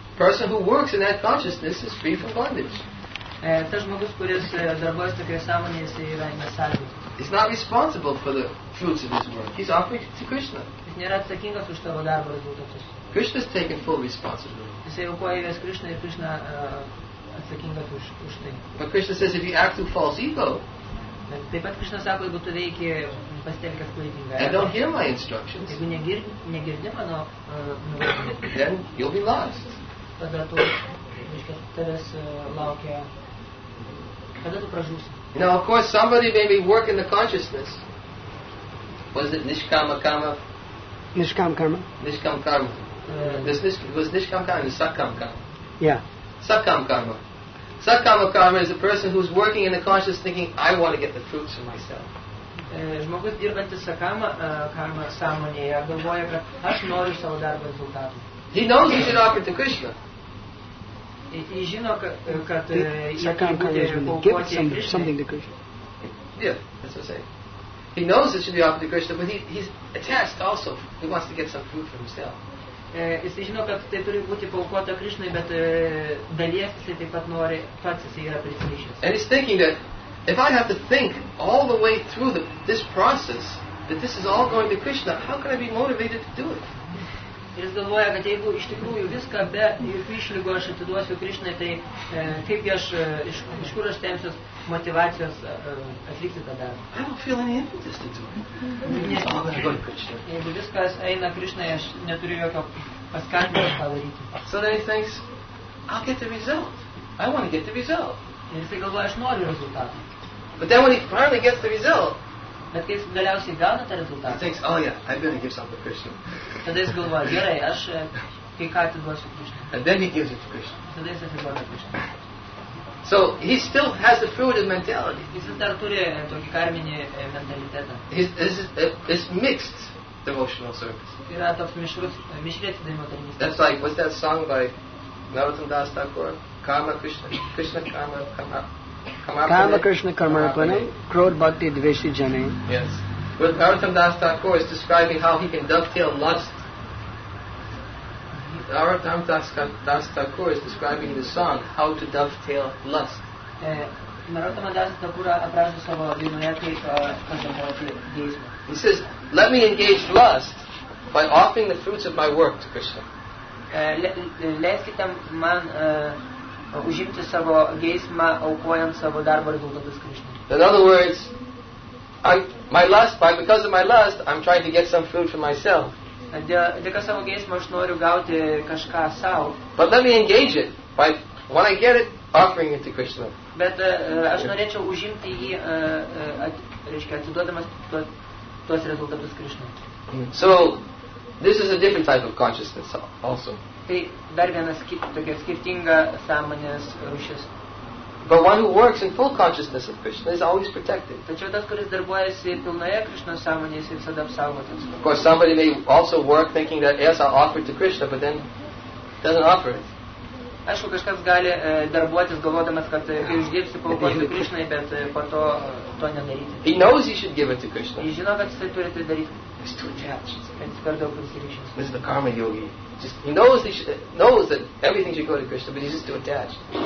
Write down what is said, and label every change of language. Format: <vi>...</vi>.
<en>Person who works in that consciousness is free from bondage.</en> <lt>Tas žmogus, kuris darbuojas tokioje sąmonėje, jis yra nesąlygotas.</lt> <en>He's not responsible for the fruits of his work. He's offering it to Krishna.</en> <lt>Jis nėra atsakingas už savo darbo rezultatus.</lt> <en>Krishna's taking full responsibility.</en> <lt>Jis aukoja visą Krishna ir Krishna atsakingas už tai.</lt> <en>But Krishna says if you act through false ego,</en> <lt>taip pat Krishna sako, jeigu tu veiki pasitelkęs klaidingą,</lt> <en>and don't hear my instructions,</en> <lt>jeigu negirdi mano nurodymų,</lt> <en>then you'll be lost.</en> <lt>Tada tu, reiškia, tavęs laukia</lt> <en>Now, of course, somebody may be working the consciousness. Was it nishkama karma? Nishkama karma. Nishkama karma. Was nishkama karma? Sakkama karma. Yeah. Sakkama karma. Sakkama karma is a person who's working in the conscious thinking, I want to get the fruits for myself.</en> <lt>Žmogus dirbantis sakama karma sąmonėje galvoja, kad aš noriu savo darbo rezultatų.</lt> <en>He knows he should offer to Krishna.</en> <lt>Jis žino, kad jis</lt> <en>something to Krishna. Yeah, that's what I say. He knows it should be offered to Krishna, but he's attached also. He wants to get some fruit for himself.</en> <lt>Jis žino, kad tai turi būti paukota Krishnai, bet dalies jis taip pat nori pats, jis yra prisirišęs.</lt> <en>And he's thinking that if I have to think all the way through this process, that this is all going to Krishna, how can I be motivated to do it?</en> <lt>Jis galvoja, kad jeigu iš tikrųjų viską be išlygų aš atiduosiu Krishnai, tai kaipgi aš, iš kur aš temsiuos motivacijos atlikti tą darbą?</lt> <en>I don't feel any impetus to do it.</en> <lt>Nes, jeigu viskas eina Krishnai, aš neturiu jokio paskatinimo padaryti.</lt> <en>So then he thinks, I'll get the result. I want to get the result.</en> <lt>Ir jis galvoja, aš noriu rezultatą.</lt> <en>But then when he finally gets the result,</en> <lt>bet kai jis galiausiai gauna tą rezultatą,</lt> <en>he thinks, oh yeah, I'm going to give something to Krishna.</en> <lt>Tada jis galvoja, gerai, aš kai ką atiduosiu Krishna.</lt> <en>And then he gives it to Krishna.</en> <lt>Tada jis atiduoja Krishna.</lt> <en>So he still has the fruited mentality.</en> <lt>Jis dar turi tokį karminį mentalitetą.</lt> <en>It's mixed devotional service.</en> <lt>Yra toks mišrėti daimo tarnystės.</lt> <en>That's like, what's that song by Narottam Das Thakur? Karma Krishna, Krishna Karma, Karma.</en> <bn>Kama Krishna Karmarapane, Krod Bhakti Dveshi Jane.</bn> <en>Yes. Well, Narottam Das Thakur is describing how he can dovetail lust. Narottam Das Thakur is describing in the song how to dovetail lust.</en> <lt>Narottam Das Thakur aprašo savo dainoje kaip kontempliatyvų deizmą.</lt> <en>He says, let me engage lust by offering the fruits of my work to Krishna.</en> <lt>Leiskite man užimti savo geismą, aukojant savo darbo rezultatus Krishna.</lt> <en>In other words, because of my lust, I'm trying to get some food for myself.</en> <lt>Dėka savo geismą aš noriu gauti kažką sau.</lt> <en>But let me engage it by, when I get it, offering it to Krishna.</en> <lt>Bet aš norėčiau užimti jį, reiškia, atiduodamas tuos rezultatus Krishna.</lt> <en>So, this is a different type of consciousness also.</en> <lt>Tai dar vienas tokia skirtinga sąmonės rūšis.</lt> <en>But one who works in full consciousness of Krishna is always protected.</en> <lt>Tačiau tas, kuris darbuojasi pilnoje Krishnos sąmonėje, jis visada apsaugotas.</lt> <en>Of course, somebody may also work thinking that yes, I'll offer it to Krishna, but then doesn't offer it.</en> <lt>Aišku, kažkas gali darbuotis galvodamas, kad kai uždirbsi, paukosi Krishnai, bet po to to nedaryti.</lt> <en>He knows he should give it to Krishna.</en> <lt>Jis žino, kad jis tai turi daryti.</lt> <en>He's too attached.</en> <lt>Jis per daug prisirišęs.</lt> <en>This is the karma yogi. Just, he knows he knows that everything should go to Krishna, but he's just too attached.</en>